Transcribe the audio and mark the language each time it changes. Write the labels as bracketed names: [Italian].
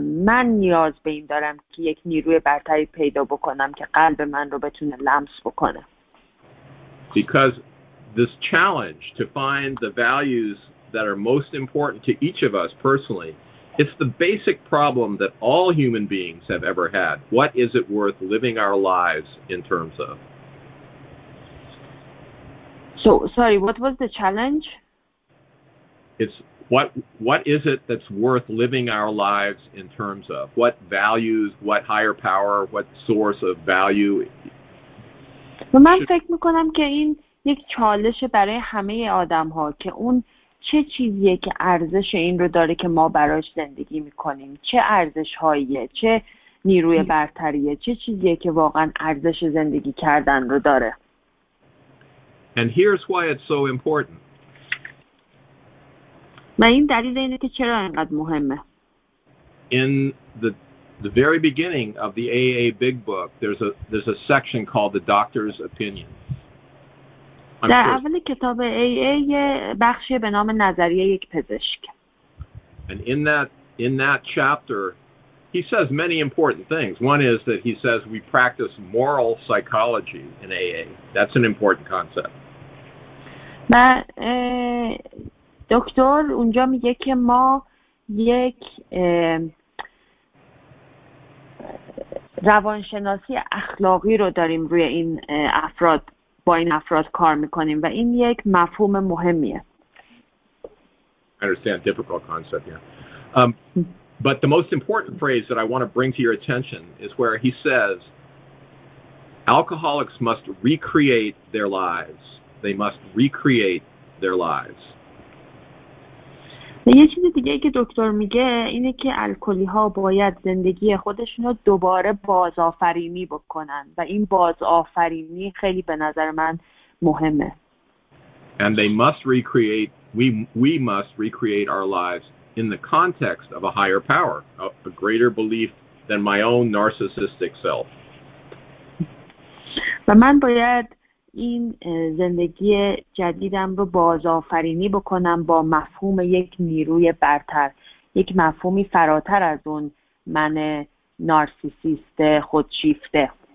[Persian] من نیاز به این دارم که یک نیروی برتری پیدا بکنم که قلب من رو بتونه لمس بکنه. [English] Because this challenge to find the values that are most important to each of us personally, it's the basic problem that all human beings have ever had. What is it worth living our lives in terms of? So, sorry, what was the challenge? It's what is it that's worth living our lives in terms of? What values, what higher power, what source of value? [Persian] من فکر میکنم که این یک چالش برای همه آدم‌ها که اون چه چیزیه که ارزش این رو داره که ما براش زندگی میکنیم، چه ارزش هاییه، چه نیروی برتریه، چه چیزیه که واقعا ارزش زندگی کردن رو داره. [English] And here's why it's so important. [Persian] و این دلیل اینه که چرا اینقدر مهمه. [English] In the very beginning of the AA Big Book, there's a section called the Doctor's Opinion. [Persian] در اول کتاب AA بخشی به نام نظریه یک پزشک. [English] And in that chapter, he says many important things. One is that he says we practice moral psychology in AA. That's an important concept. [Persian] و دکتر اونجا میگه که ما یک روانشناسی اخلاقی رو داریم روی این افراد. با این افراد کار میکنیم و این یک مفهوم مهمیه. [English] I understand, difficult concept, yeah. But the most important phrase that I want to bring to your attention is where he says, alcoholics must recreate their lives. They must recreate their lives. [Persian] یه چیز دیگه که دکتر میگه اینه که الکلی ها باید زندگی خودشون رو دوباره بازآفرینی بکنن و این بازآفرینی خیلی به نظر من مهمه. [English] And they must recreate, we must recreate our lives in the context of a higher power, a greater belief than my own narcissistic self. [Persian] و من باید این زندگی جدیدم رو بازآفرینی بکنم با مفهوم یک نیروی برتر، یک مفهومی فراتر از اون من نارسیسیست خودشیفته.